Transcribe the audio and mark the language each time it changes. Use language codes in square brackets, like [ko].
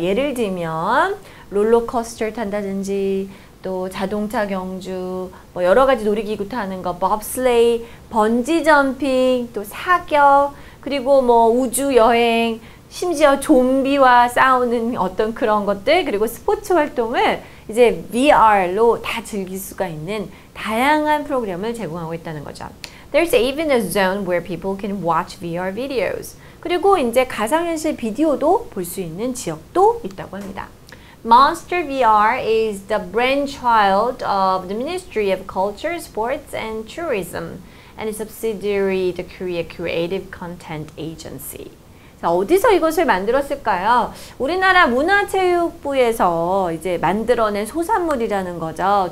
[ko] 예를 들면, 롤러코스터 탄다든지, 또 자동차 경주, 뭐 여러 가지 놀이기구 타는 거, 봅슬레이, 번지점핑, 또 사격, 그리고 뭐 우주여행, 심지어 좀비와 싸우는 어떤 그런 것들, 그리고 스포츠 활동을 이제 VR로 다 즐길 수가 있는 다양한 프로그램을 제공하고 있다는 거죠. [en] There's even a zone where people can watch VR videos. [ko] 그리고 이제 가상현실 비디오도 볼 수 있는 지역도 있다고 합니다. [en] Monster VR is the brainchild of the Ministry of Culture, Sports and Tourism and a subsidiary the Korea Creative Content Agency. [ko] 어디서 이것을 만들었을까요? 우리나라 문화체육부에서 이제 만들어낸 소산물이라는 거죠.